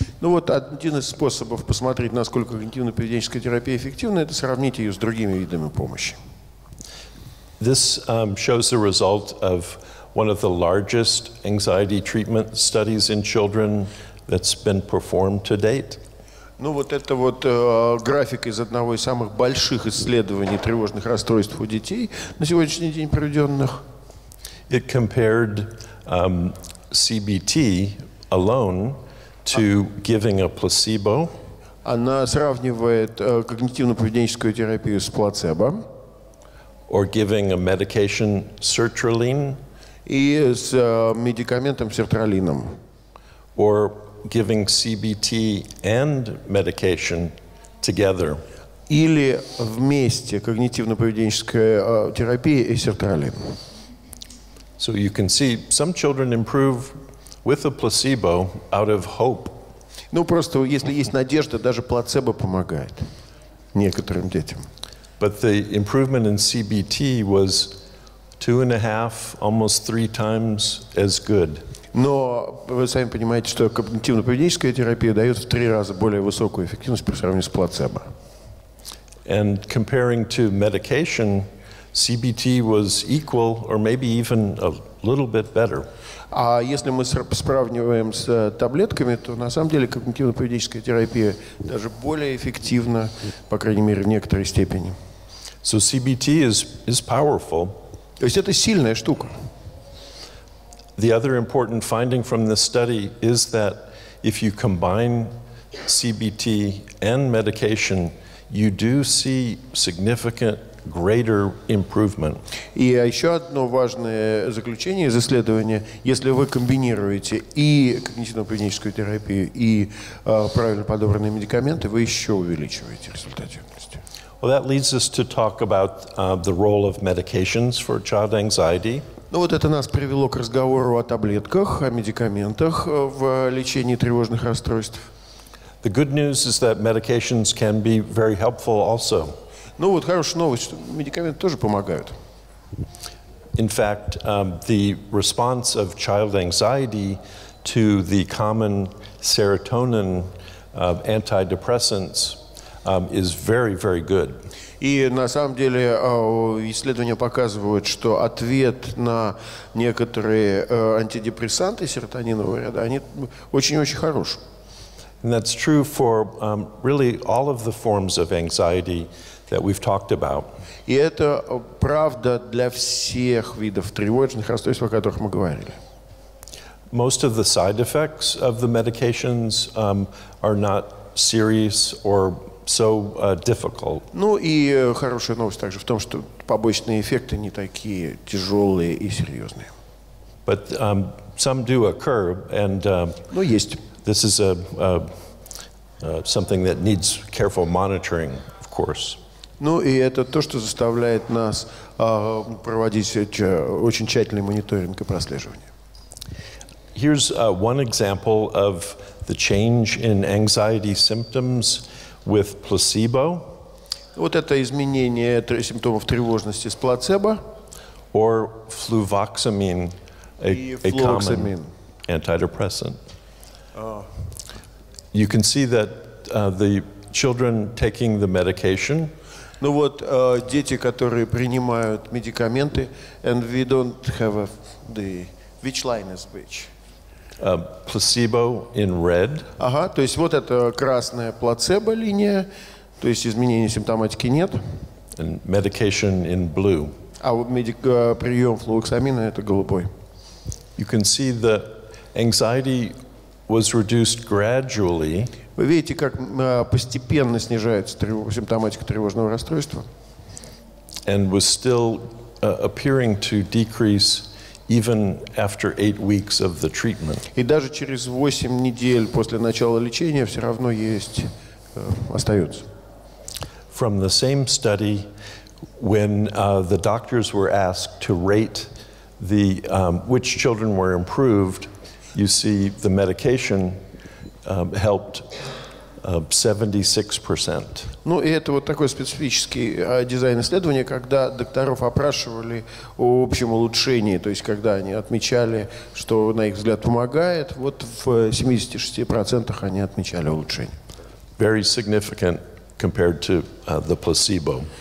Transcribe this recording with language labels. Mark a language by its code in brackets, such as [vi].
[ru] Ну вот один из способов посмотреть, насколько когнитивно-поведенческая терапия эффективна, это сравнить ее с другими видами помощи. [en] This shows the result of one of the largest anxiety treatment studies in children that's been performed to date. [ru] Ну вот это вот график из одного из самых больших исследований тревожных расстройств у детей на сегодняшний день проведенных. [en] It compared CBT alone to giving a placebo. [ru] Она сравнивает когнитивно-поведенческую терапию с плацебо. [en] Or giving a medication sertraline. [ru] И с медикаментом сертралином. [en] Or giving CBT and medication together. [ru] Или вместе когнитивно-поведенческая терапия и сертралин. [en] So you can see some children improve with a placebo out of hope. [ru] Ну просто если есть надежда, даже плацебо помогает некоторым детям. [en] But the improvement in CBT was 2.5, almost 3 times as good. [ru] Но вы сами понимаете, что когнитивно-поведенческая терапия дает в 3 раза более высокую эффективность по сравнению с плацебо. [en] And comparing to medication, CBT was equal or maybe even a little bit better. [ru] А если мы сравниваем с таблетками, то на самом деле когнитивно-поведенческая терапия даже более эффективна, по крайней мере, в некоторой степени. [en] So CBT is powerful. [ru] То есть это сильная штука. [en] The other important finding from this study is that if you combine CBT and medication, you do see significant greater improvement. [ru] И еще одно важное заключение из исследования, если вы комбинируете и когнитивно-поведенческую терапию, и правильно подобранные медикаменты, вы еще увеличиваете результативность. [en] Well, that leads us to talk about the role of medications for child anxiety. [ru] Ну вот это нас привело к разговору о таблетках, о медикаментах в лечении тревожных расстройств. [en] The good news is that medications can be very helpful also. [ru] Ну вот хорошая новость, что медикаменты тоже помогают. [en] In fact, the response of child anxiety to the common serotonin antidepressants is very, very good. [ru] И на самом деле исследования показывают, что ответ на некоторые антидепрессанты серотонинового ряда, они очень-очень хорош. [en] And that's true for really all of the forms of anxiety that we've talked about. [ru] И это правда для всех видов тревожных расстройств, о которых мы говорили. [en] Most of the side effects of the medications are not serious or so difficult. [ru] Ну и хорошая новость также в том, что побочные эффекты не такие тяжелые и серьезные. [en] But some do occur, and [ru] ну, есть. [en] This is something that needs careful monitoring, of course. [ru] Ну и это то, что заставляет нас проводить очень тщательный мониторинг и прослеживание. [en] Here's one example of the change in anxiety symptoms with placebo. [ru] Вот это изменение симптомов тревожности с плацебо. [en] Or fluvoxamine, a common antidepressant. You can see that the children taking the medication. [ru] Ну вот дети, которые принимают медикаменты, [en] and we don't have which line is which. Placebo in red. [ru] Ага, то есть вот это красная плацебо линия, то есть изменений симптоматики нет. [en] And medication in blue. [ru] А вот прием флуоксамина это голубой. [en] You can see the anxiety was reduced gradually. [ru] Вы видите, как постепенно снижается симптоматика тревожного расстройства. [en] And was still appearing to decrease even after 8 weeks of the treatment. [ru] И даже через 8 недель после начала лечения все равно остается. [en] From the same study, when the doctors were asked to rate the which children were improved, you see the medication helped 76%. [ru] Ну и это вот такой специфический дизайн исследования, когда докторов опрашивали о общем улучшении, то есть когда они отмечали, что на их взгляд помогает, вот в 76% они отмечали улучшение. [en] Very significant compared to the placebo.